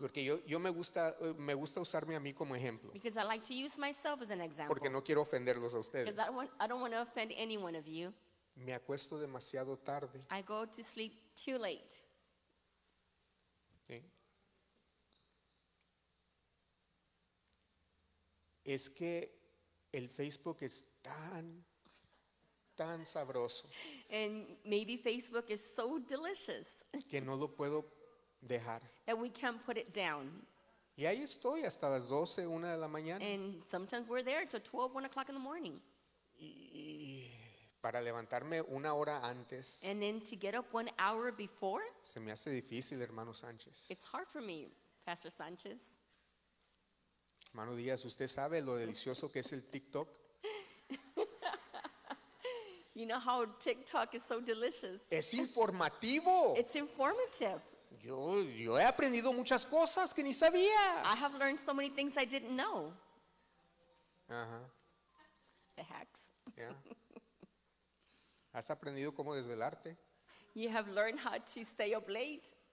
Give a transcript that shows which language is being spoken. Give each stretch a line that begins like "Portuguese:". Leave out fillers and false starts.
Spanish: Porque yo me gusta usarme a mí como ejemplo.
English: Because I like to use myself as an example.
Spanish: Porque no quiero ofenderlos a ustedes.
English: Because I don't want to offend any one of you.
Spanish: Me acuesto demasiado tarde.
English: I go to sleep too late.
Spanish: ¿Sí? es que el Facebook es tan, tan sabroso.
English: And maybe Facebook is so delicious.
Spanish: Que no lo puedo dejar.
English: And we can't put it down.
Spanish: Y ahí estoy hasta las 12, 1 de la mañana.
English: And sometimes we're there till 12, 1 o'clock in the morning.
Spanish: Y para levantarme una hora antes.
English: And then to get up 1 hour before.
Spanish: Se me hace difícil, hermano Sánchez.
English: It's hard for me, Pastor Sánchez.
Spanish: Hermano Díaz, usted sabe lo delicioso que es el TikTok.
English: You know how TikTok is so delicious.
Spanish: Es informativo.
English: It's informative.
Spanish: Yo he aprendido muchas cosas que ni sabía.
English: I have learned so many things I didn't know. Uh-huh. The hacks. Yeah.
Spanish: Has aprendido cómo desvelarte.
English: You have learned how to stay up late.